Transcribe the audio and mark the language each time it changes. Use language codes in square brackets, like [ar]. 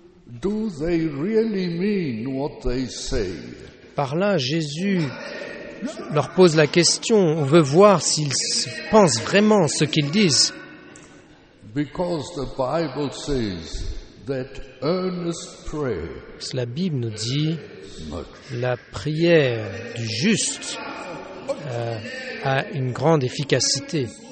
[en] Do they really mean what they say? [fr] Par là, Jésus leur pose la question, on veut voir s'ils pensent vraiment ce qu'ils disent. [en] Because the Bible says that earnest prayer, [fr] parce que la Bible nous dit la prière du juste a une grande efficacité.